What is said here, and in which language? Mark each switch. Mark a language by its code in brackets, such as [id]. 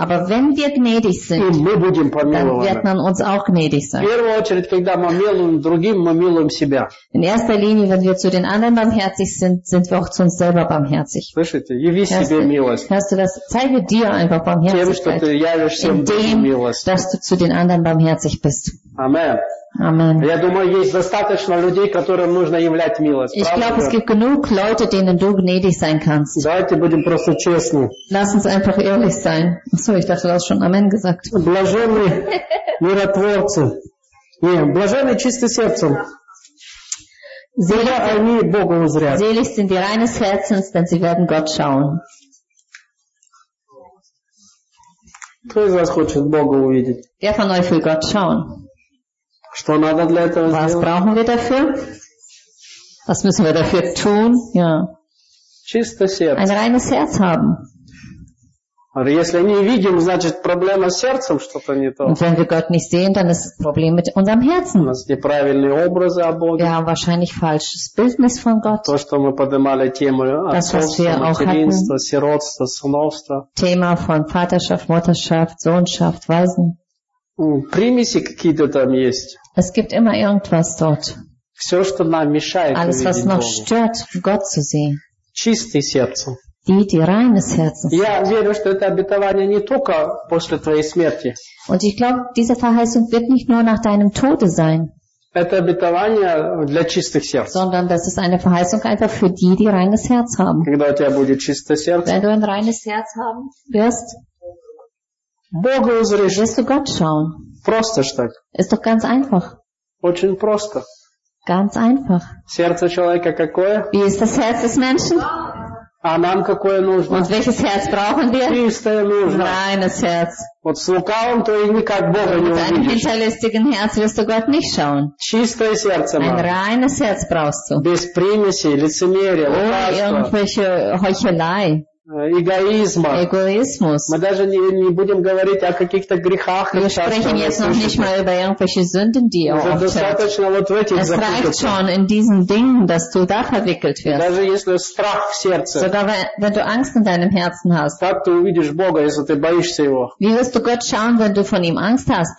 [de] Aber wenn wir gnädig sind, [ru] и мы будем помилованы, [de] dann wird man uns auch gnädig sein. [ru] В первую очередь, когда мы милуем другим, мы милуем себя. [de] In erster Linie, wenn wir zu den anderen barmherzig sind, sind wir auch zu uns selber barmherzig. [ru] Слышите? Яви себе милость. [de] Hörst du das? Zeige dir einfach Barmherzigkeit. [ru] Тем, что ты явишься другим милость. [de] Dass du zu den anderen barmherzig bist. Amen. Amen. [ru] Я думаю, есть достаточно людей, которым нужно являть милость. [de] Ich glaube, es gibt genug Leute, denen du gnädig sein kannst. [ru] Давайте будем просто честны. [de] Lass uns einfach ehrlich sein. Achso, ich dachte, du hast schon Amen gesagt. [ru] Блаженны миротворцы. Нет, блаженны чисты сердцем. [de] Selig [ru] они Бога узрят. [de] Selig sind die reines Herzens, denn sie werden Gott schauen. [ru] Кто из вас хочет Бога увидеть? [de] Wer von euch will Gott schauen? [ru] Что надо для этого [de] Was [ru] сделать? [de] Brauchen wir dafür? Was müssen wir dafür tun? Ja. [ru] Чистое сердце. [de] Ein reines Herz haben. [ru] Если не видим, значит проблема с сердцем что-то не то. [de] Und wenn wir Gott nicht sehen, dann ist das Problem mit unserem Herzen. [ru] У нас неправильные образы о Боге. [de] Ja, wahrscheinlich falsches Bildnis von Gott. [ru] То, что мы поднимали тему отцовства, материнства, сиротства, сыновства. [de] Thema von Vaterschaft, Mutterschaft, Sohnschaft, Waisen. [ru] Примеси какие-то там есть. [de] Es gibt immer irgendwas dort. [ru] все, что нам мешает [de] alles, [ru] увидеть Бога. [de] Stört, Gott zu sehen. [ru] Чистое сердце. [de] Die reines Herz. [ru] Я верю, что это обетование не только после твоей смерти. [de] Und ich glaube, diese Verheißung wird nicht nur nach deinem Tode sein. [ru] Это обетование для чистых сердец. [de] Sondern das ist eine Verheißung einfach für die, die reines Herz haben. [ru] Когда у тебя будет чистое сердце. [de] Wenn du ein reines Herz haben wirst. [ru] Бога узришь. [de] Wirst du Gott schauen. [ru] Просто ж так. [de] Ist doch ganz einfach. [ru] Очень просто. [de] Ganz einfach. [ru] Сердце человека какое? [de] Wie ist das Herz des Menschen? [ru] А нам какое нужно? [de] Und welches Herz brauchen wir? [ru] Чистое нужно. [de] Reines Herz. [ru] Вот с лукавым то и никак Бога не увидишь. [de] Mit einem hinterlistigen Herz wirst du Gott nicht schauen. [ru] Чистое сердце. [de] Ein reines Herz brauchst du. [ru] Без примеси, лицемерия, лукавства. [de] Ohne irgendwelche Heuchelei. [ru] Эгоизма. [de] Эгоизмус. [ru] Мы даже не будем говорить о каких-то грехах. [de] Wir sprechen jetzt noch nicht mal über irgendwelche Sünden, die ihr aufhört. [ru] Достаточно вот в этих запутаться. [de] Es reicht schon in diesen Dingen, dass du da verwickelt wirst. [ru] Даже если страх в сердце. [de] Sogar wenn du Angst in deinem Herzen hast. [ru] Как ты увидишь Бога, если ты боишься Его? [de] Wie wirst du Gott schauen, wenn du von ihm Angst hast?